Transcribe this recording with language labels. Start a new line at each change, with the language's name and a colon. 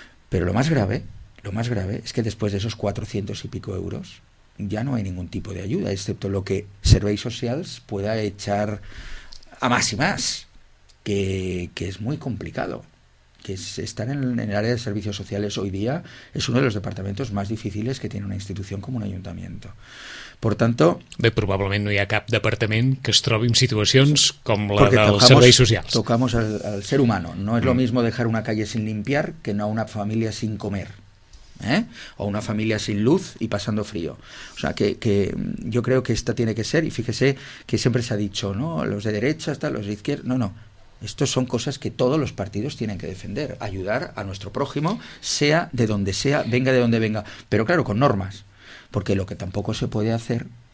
Spanish: Pero lo más grave es que después de esos 400 y pico euros ya no hay ningún tipo de ayuda, excepto lo que Servicios Sociales pueda echar a más y más, que es muy complicado. Que estar en el área de servicios sociales hoy día es uno de los departamentos más difíciles que tiene una institución como un ayuntamiento. Por tanto...
Catalan: Bé, probablement no hi ha cap departament que es trobi en situacions com la dels serveis socials.
Spanish: Tocamos al ser humano. No es lo mismo dejar una calle sin limpiar que no a una familia sin comer. O una familia sin luz y pasando frío. O sea, que yo creo que esta tiene que ser, y fíjese que siempre se ha dicho, ¿no? Los de derecha, hasta los de izquierda... No, no. Estos son cosas que todos los partidos tienen que defender, ayudar a nuestro prójimo, sea de donde sea, venga de donde venga, pero claro, con normas, porque lo que tampoco se puede hacer,